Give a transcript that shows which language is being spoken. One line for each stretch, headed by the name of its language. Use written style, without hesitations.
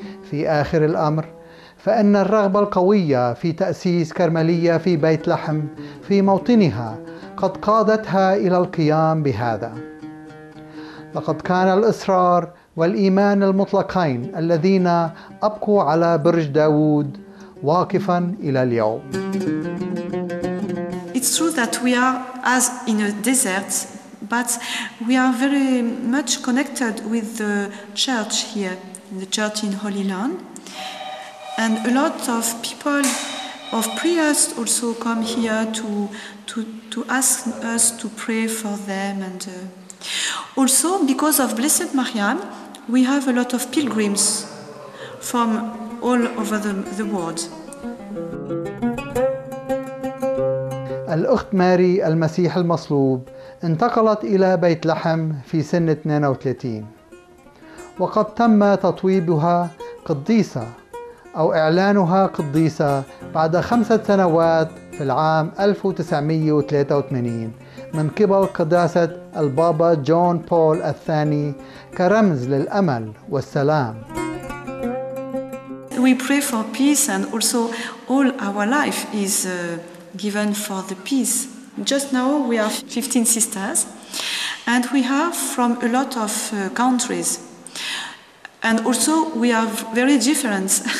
Arabic: في آخر الأمر، فإن الرغبة القوية في تأسيس كرملية في بيت لحم في موطنها قد قادتها إلى القيام بهذا. لقد كان الإصرار والإيمان المطلقين الذين أبقوا على برج داود واقفا إلى اليوم.
English: It's true that we are as in a desert, but we are very much connected with the church here, the church in Holy Land. And a lot of people, of priests also come here to ask us to pray for them. And also because of Blessed Mariam, we have a lot of pilgrims from all over the world.
Arabic: الأخت ماري المسيح المصلوب انتقلت إلى بيت لحم في سن 32، وقد تم تطويبها قديسة أو إعلانها قديسة بعد 5 سنوات في العام 1983 من قبل قداسة البابا جون بول الثاني كرمز للأمل والسلام.
English: We pray for peace and also all our life is given for the peace. Just now we are 15 sisters and we are from a lot of countries, and also we are very different.